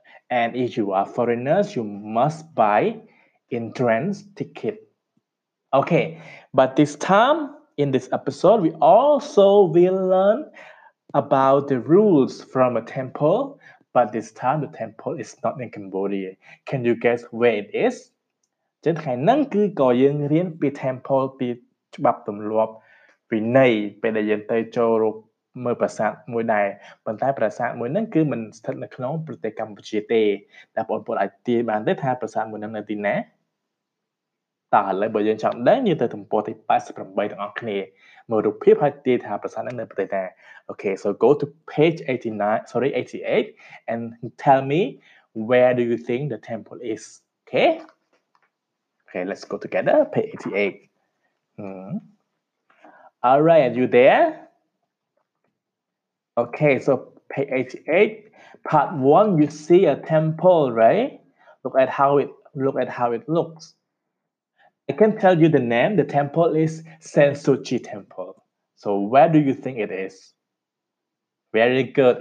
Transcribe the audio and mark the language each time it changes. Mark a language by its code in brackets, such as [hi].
[en] And if you are foreigners, you must buy entrance ticket. Okay, but this time in this episode, we also will learn about the rules from a temple. But this time, the temple is not in Cambodia. Can you guess where it is? [km] ចិនខែនឹងគឺក៏យើងរៀនពី temple ពីច្បាប់ទម្លាប់វិន័យពេលដែលយើងទៅចូលរកមើលប្រាសាទមួយដែរប៉ុន្តែប្រាសាទមួយនឹងគឺមិនស្ថិតនៅក្នុងប្រទេសកម្ពុជាទេតែបងប្អូនអាចទាយបានទេថាប្រាសាទមួយនឹងនៅទីណា តើឥឡូវបើយើងចង់ដឹងយើងទៅទំព័រទី88ទាំងអស់គ្នាមើលរូបភាពហើយទាយថាប្រាសាទនឹងនៅប្រទេសណាអូខេ [en] so go to page 89 sorry 88 and tell me where do you think the temple is okay Okay, let's go together, page 88. All right, are you there? Okay, so page 88, part 1, you see a temple, right? Look at how it looks. I can tell you the name. The temple is Sensuchi Temple. So where do you think it is? Very good.